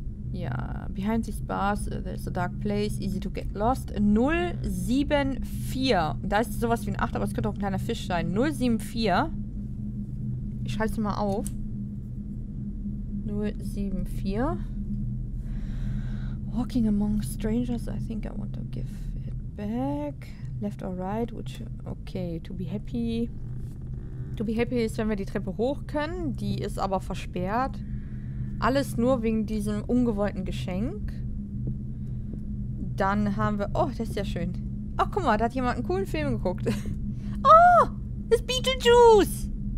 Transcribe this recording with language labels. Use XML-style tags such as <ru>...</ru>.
<en>Ja, Behind the Bars, There's a Dark Place, Easy to Get Lost. 074.</en> <de>Und da ist sowas wie ein 8, aber es könnte auch ein kleiner Fisch sein. 074. Ich schreibe es mal auf. 074.</de> <en>Walking among strangers, I think I want to give it back. back, left or right, which, okay, to be happy. To be happy</en> <de>ist, wenn wir die Treppe hoch können, die ist aber versperrt. Alles nur wegen diesem ungewollten Geschenk. Dann haben wir, oh, das ist ja schön. Ach, guck mal, da hat jemand einen coolen Film geguckt. Oh, das ist Beetlejuice.</de>